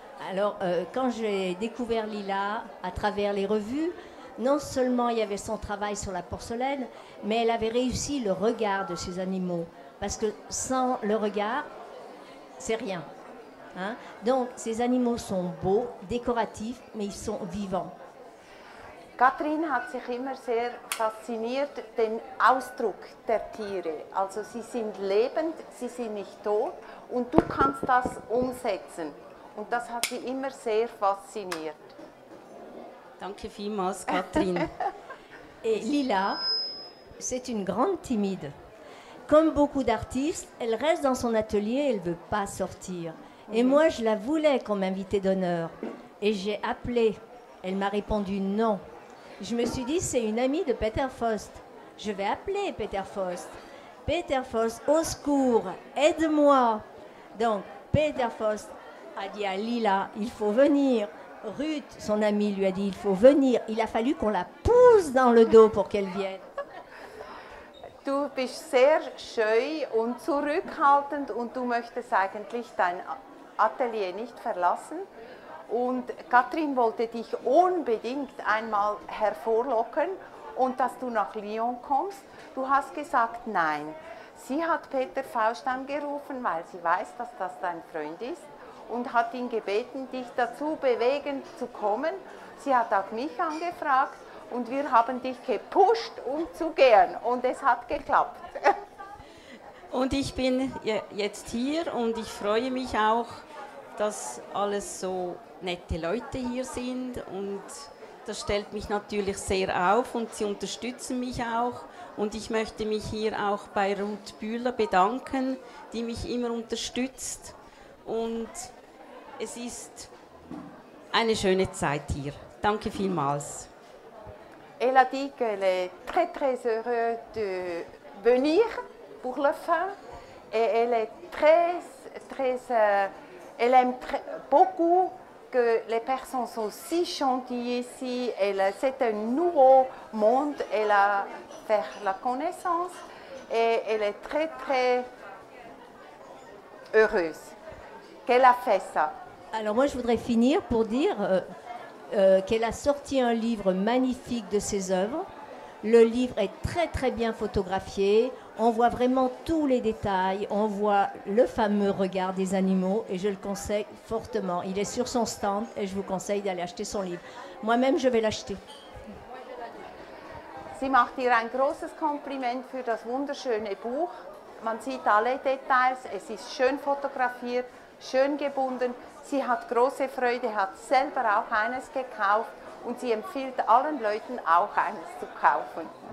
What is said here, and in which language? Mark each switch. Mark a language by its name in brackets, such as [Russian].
[French] Alors, quand j'ai découvert Lila à travers les revues, non seulement il y avait son travail sur la porcelaine, mais elle avait réussi le regard de ces animaux. Parce que sans le regard, c'est rien. Hein? Donc, ces animaux sont beaux, décoratifs, mais ils sont vivants. [German] Catherine hat sich immer sehr fasziniert den Ausdruck der Tiere. Also, sie sind lebend, sie sind nicht tot, und du kannst das umsetzen. Und das hat sie immer sehr fasziniert. Danke vielmals, Catherine. [French] Et Lila, c'est une grande timide. Comme beaucoup d'artistes, elle reste dans son atelier et elle ne veut pas sortir. Et moi, je la voulais comme invitée d'honneur. Et j'ai appelé. Elle m'a répondu non. Je me suis dit, c'est une amie de Peter Faust. Je vais appeler Peter Faust. Peter Faust, au secours, aide-moi. Donc, Peter Faust a dit à Lila, il faut venir. Ruth, son amie, lui a dit, il faut venir. Il a fallu qu'on la pousse dans le dos pour qu'elle vienne. [German] Du bist sehr scheu und zurückhaltend und du möchtest eigentlich dein Atelier nicht verlassen. Und Catherine wollte dich unbedingt einmal hervorlocken und dass du nach Lyon kommst. Du hast gesagt nein. Sie hat Peter Faust angerufen, weil sie weiß, dass das dein Freund ist und hat ihn gebeten, dich dazu bewegen zu kommen. Sie hat auch mich angefragt. Und wir haben dich gepusht, um zu gehen. Und es hat geklappt. Und ich bin jetzt hier und ich freue mich auch, dass alles so nette Leute hier sind. Und das stellt mich natürlich sehr auf und sie unterstützen mich auch. Und ich möchte mich hier auch bei Ruth Bühler bedanken, die mich immer unterstützt. Und es ist eine schöne Zeit hier. Danke vielmals. [French] Elle a dit qu'elle est très très heureuse de venir pour le fin et elle est très très elle aime beaucoup que les personnes sont si gentilles ici. Elle, c'est un nouveau monde. Elle a fait la connaissance et elle est très très heureuse qu'elle a fait ça. Alors moi je voudrais finir pour dire qu'elle a sorti un livre magnifique de ses œuvres. Le livre est très très bien photographié. On voit vraiment tous les détails. On voit le fameux regard des animaux et je le conseille fortement. Il est sur son stand et je vous conseille d'aller acheter son livre. Moi-même, je vais l'acheter. [German] Sie macht ihr ein großes Kompliment für das wunderschöne Buch. Man sieht alle Details. Es ist schön fotografiert, schön gebunden. Sie hat große Freude, hat selber auch eines gekauft und sie empfiehlt allen Leuten auch eines zu kaufen.